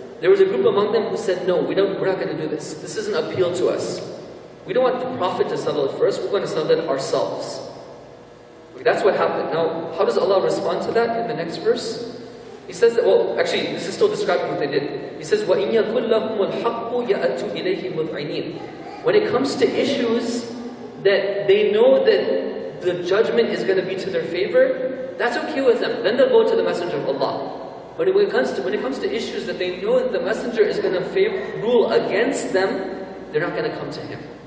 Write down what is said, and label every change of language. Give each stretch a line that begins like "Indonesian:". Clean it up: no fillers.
English: There was a group among them who said, no, we're not going to do this. This is an appeal to us. We don't want the Prophet to settle it for us. We're going to settle it ourselves. That's what happened. Now, how does Allah respond to that in the next verse? He says that, well, actually, this is still describing what they did. He says,
Arabic: وَإِنْ يَكُلْ لَهُمُ الْحَقُّ يَأَتُوا إِلَيْهِ مُذْعِنِينَ.
English: When it comes to issues that they know that the judgment is going to be to their favor, that's okay with them. Then they'll go to the Messenger of Allah. But when it comes to issues that they know that the Messenger is going to rule against them, they're not going to come to him.